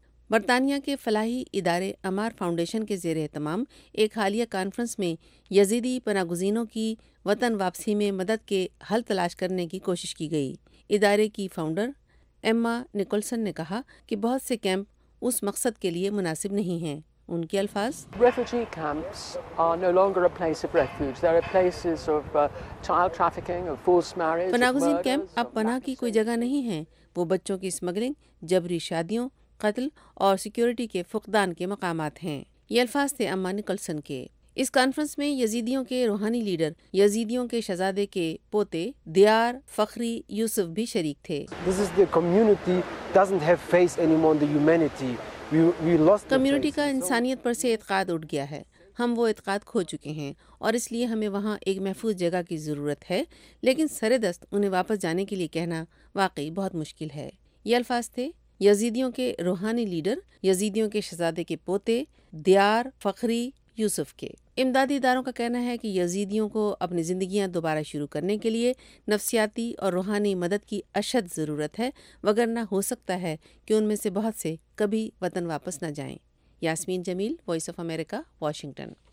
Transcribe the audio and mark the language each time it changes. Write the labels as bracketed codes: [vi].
[ur] برطانیہ کے فلاحی ادارے امار فاؤنڈیشن کے زیر اہتمام ایک حالیہ کانفرنس میں یزیدی پناہ گزینوں کی وطن واپسی میں مدد کے حل تلاش کرنے کی کوشش کی گئی۔ ادارے کی فاؤنڈر ایما نکولسن نے کہا کہ بہت سے کیمپ اس مقصد کے لیے مناسب نہیں ہیں۔ ان کے الفاظ، [en] Refugee camps are no longer a place of refuge, they are places of child trafficking, force marriage. [ur] پناہ گزین کیمپ اب پناہ کی کوئی جگہ نہیں ہے، وہ بچوں کی اسمگلنگ، جبری شادیوں، قتل اور سیکیورٹی کے فقدان کے مقامات ہیں۔ یہ الفاظ تھے اما نکولسن کے۔ اس کانفرنس میں یزیدیوں کے روحانی لیڈر، یزیدیوں کے شہزادے کے پوتے دیار فخری یوسف بھی شریک تھے۔ [en] This is the community doesn't have faith anymore in the humanity. We lost the [ur] community کا انسانیت پر سے اعتقاد اٹھ گیا ہے، ہم وہ اعتقاد کھو چکے ہیں اور اس لیے ہمیں وہاں ایک محفوظ جگہ کی ضرورت ہے، لیکن سردست انہیں واپس جانے کے لیے کہنا واقعی بہت مشکل ہے۔ یہ الفاظ تھے یزیدیوں کے روحانی لیڈر، یزیدیوں کے شہزادے کے پوتے دیار فخری یوسف کے۔ امدادی اداروں کا کہنا ہے کہ یزیدیوں کو اپنی زندگیاں دوبارہ شروع کرنے کے لیے نفسیاتی اور روحانی مدد کی اشد ضرورت ہے، وگرنہ ہو سکتا ہے کہ ان میں سے بہت سے کبھی وطن واپس نہ جائیں۔ یاسمین جمیل، وائس آف امریکہ، واشنگٹن۔